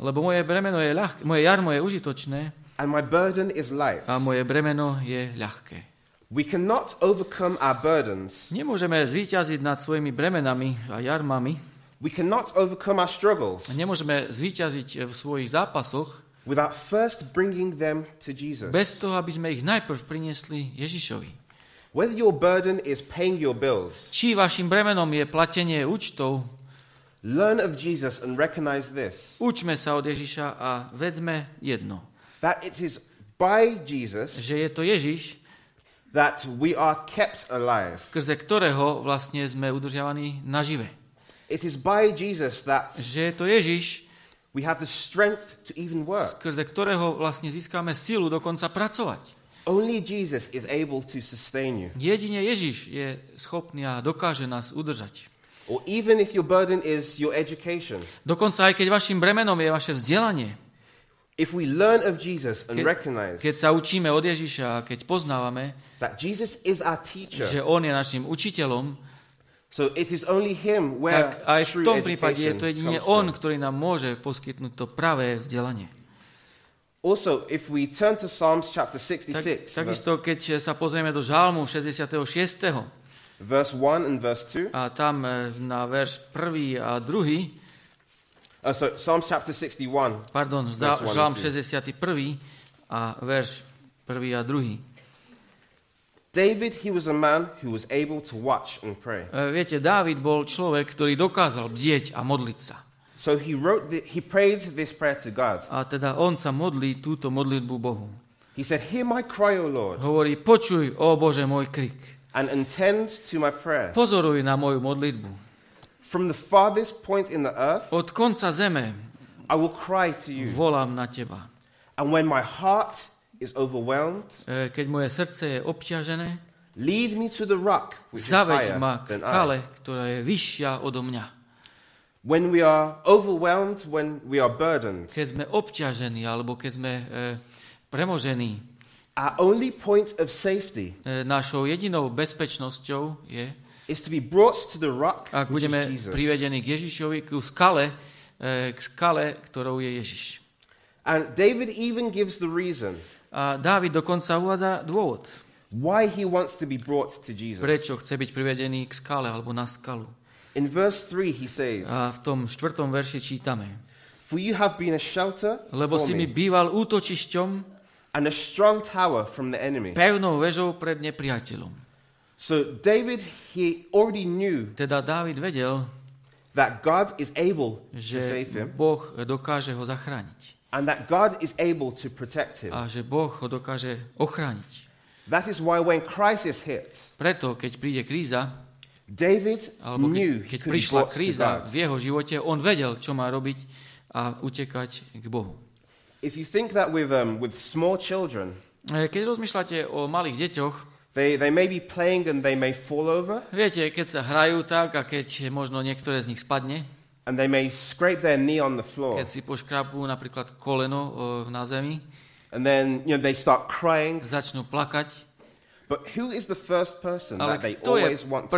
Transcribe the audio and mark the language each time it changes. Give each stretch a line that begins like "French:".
Slovak: Lebo moje bremeno je ľahké, moje jarmo je užitočné.
English: And my burden is light.
Slovak: A moje bremeno je ľahké.
English: We cannot overcome our burdens.
Slovak: Nemôžeme zvíťaziť nad svojimi bremenami a jarmami.
English: We cannot overcome our struggles.
Slovak: Nemôžeme zvíťaziť v svojich zápasoch.
English: Without first bringing them to Jesus.
Slovak: Bez toho, aby sme ich najprv priniesli Ježišovi.
English: Whether your burden is paying your bills.
Slovak: Či vašim bremenom je platenie účtov.
English: Learn of Jesus and recognize this.
Slovak: Učme sa od Ježiša a vedzme jedno.
English: That it is by Jesus.
Slovak: Že je to Ježiš.
English: That we are kept alive.
Slovak: Skrze ktorého vlastne sme udržiavaní nažive.
English: It is by Jesus that.
Slovak: Že je to Ježiš.
English: We have the strength to even work.
Slovak: Skrze ktorého vlastne získame silu dokonca pracovať.
English: Only Jesus is able to sustain you.
Slovak: Jedine Ježiš je schopný a dokáže nás udržať.
English: Or even if your burden is your education.
Slovak: Dokonca aj keď vašim bremenom je vaše vzdelanie.
English: If we learn of Jesus and recognize.
Slovak: Keď sa učíme od Ježiša a keď poznávame,
English: that Jesus is our teacher.
Slovak: Že on je našim učiteľom.
English: So it is only him where true education.
Slovak: Tak aj v tom prípade je to jedine on, ktorý nám môže poskytnúť to pravé vzdelanie.
English: Also, if we turn to Psalms chapter 66.
Slovak: Takisto, keď sa pozrieme do Žalmu 66.
English: Verse 1 and verse 2.
Slovak: A tam na verš 1. a 2.
English: So Psalms chapter 61.
Slovak: Pardon, Žalm 61. a verš 1. a 2.
English: David, he was a man who was able to watch and pray.
Slovak: Viete, Dávid bol človek, ktorý dokázal bdieť a modliť sa.
English: So he wrote he prayed this prayer to God.
Slovak: A teda on sa modlí túto modlitbu Bohu.
English: He said, "Hear my cry, O Lord."
Slovak: Hovorí: "Počuj, ó Bože, môj krik."
English: And attend to my prayer.
Slovak: Pozoruj na moju modlitbu.
English: From the farthest point in the earth.
Slovak: Od konca zeme.
English: I will cry to you.
Slovak: Volám na teba.
English: And when my heart is overwhelmed.
Slovak: Keď moje srdce je obťažené.
English: Lead me to the rock,
Slovak: zaveď ma k skale, ktorá je vyššia odo mňa.
English: When we are overwhelmed, when we are burdened.
Slovak: Keď sme obťažení alebo keď sme premožení.
English: Our only point of safety.
Slovak: Našou jedinou bezpečnosťou je
English: is to be brought to the rock,
Slovak: ak budeme privedení k Ježišovi, k skale, ktorou je Ježiš.
English: And David even gives the reason.
Slovak: A Dávid dokonca uvádza dôvod.
English: Why he wants to be brought to Jesus.
Slovak: Prečo chce byť privedený k skale alebo na skalu.
English: In verse 3 he says.
Slovak: A v tom štvrtom verši čítame.
English: For you have been a shelter.
Slovak: Lebo si mi býval útočišťom.
English: And a strong tower from the enemy.
Slovak: Pevnou vežou pred nepriateľom.
English: So David he already knew.
Slovak: Teda Dávid vedel.
English: That God is able to save him.
Slovak: Že Boh dokáže ho zachrániť.
English: And that God is able to protect him.
Slovak: A že Boh ho dokáže ochrániť.
English: That is why when crisis hit.
Slovak: Preto keď príde kríza,
English: David
Slovak: alebo
English: knew,
Slovak: keď prišla kríza v jeho živote, on vedel, čo má robiť a utekať k Bohu.
English: If you think that with small children.
Slovak: Keď rozmýšľate o malých deťoch,
English: they may be playing and they may fall over.
Slovak: Viete, keď sa hrajú tak a keď možno niektoré z nich spadne.
English: And they may scrape their knee on the floor.
Slovak: Keď si poškrabú napríklad koleno na zemi.
English: And then, you know, they start crying.
Slovak: Začnú plakať.
English: But who is the first person
Slovak: Ale
English: that they always want to go to?